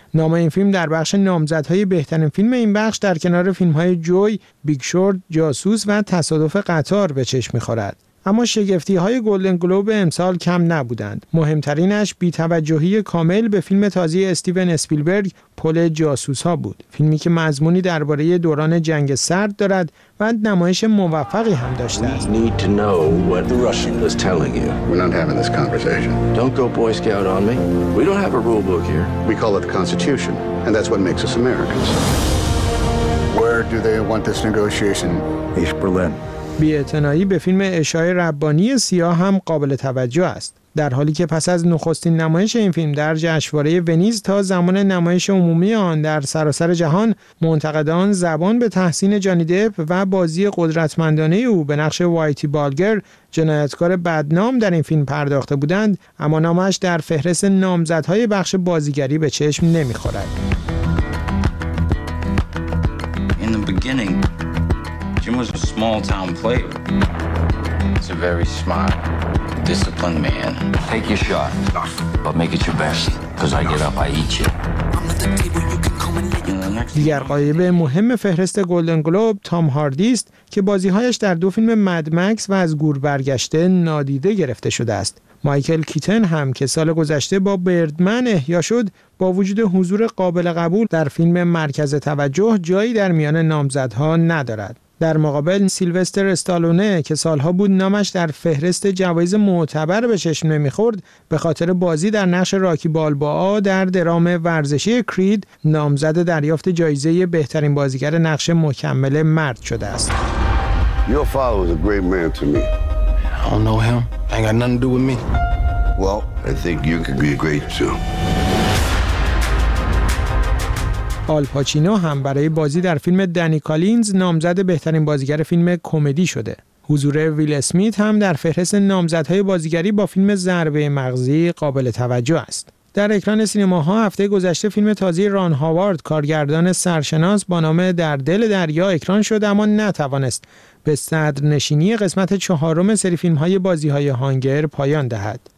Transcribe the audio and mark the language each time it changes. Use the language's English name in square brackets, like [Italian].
[Persian] نام این فیلم در بخش نامزدهای بهترین فیلم این بخش در کنار فیلم‌های جوی، بیگ شورت، جاسوس و تصادف قطار به چشم می‌خورد. اما شگفتی‌های گلدن گلوب امسال کم نبودند. مهمترینش بی‌توجهی کامل به فیلم تازه استیون اسپیلبرگ پل جاسوس‌ها بود. فیلمی که مضمونی درباره دوران جنگ سرد دارد و نمایش موفقی هم داشته است. [English] We need to know what the Russian is telling you. We're not having this conversation. Don't go boy scout on me. We don't have a rule book here. We call it the Constitution, and that's what makes us Americans. Where do they want this negotiation? East Berlin. [Persian] بی‌اعتنایی به فیلم عشای ربانی سیاه هم قابل توجه است. در حالی که پس از نخستین نمایش این فیلم در جشنواره ونیز تا زمان نمایش عمومی آن در سراسر جهان، منتقدان زبان به تحسین جانی دپ و بازی قدرتمندانه او به نقش وایتی بالگر، جنایتکار بدنام در این فیلم پرداخته بودند، اما نامش در فهرست نامزدهای بخش بازیگری به چشم نمی‌خورد. [English] In the beginning, Jim was a small town player. He's a very smart, disciplined man. Take your shot, but make it your best, because I get up, I eat you. [Persian] دیگر قایب مهم فهرست گلدن گلوب تام هاردی است که بازیهایش در دو فیلم مد مکس و از گور برگشته نادیده گرفته شده است. مایکل کیتن هم که سال گذشته با بردمن احیا شد، با وجود حضور قابل قبول در فیلم مرکز توجه جایی در میان نامزدها ندارد. در مقابل سیلوستر استالونه که سالها بود نامش در فهرست جوایز معتبر به چشم نمی‌خورد، به خاطر بازی در نقش راکی بالبا در درام ورزشی کرید نامزد دریافت جایزه بهترین بازیگر نقش مکمل مرد شده است. [English] Your father was a great man to me. I don't know him. I ain't got nothing to do with me. Well, I think you could be great too. [Persian] آل پاچینو هم برای بازی در فیلم دنی کالینز نامزد بهترین بازیگر فیلم کمدی شده. حضور ویل اسمیت هم در فهرست نامزدهای بازیگری با فیلم ضربه مغزی قابل توجه است. در اکران سینماها هفته گذشته فیلم تازه ران هاوارد کارگردان سرشناس با نام در دل دریا اکران شد، اما نتوانست به صدر نشینی قسمت چهارم سری فیلم‌های بازی‌های هانگر پایان دهد.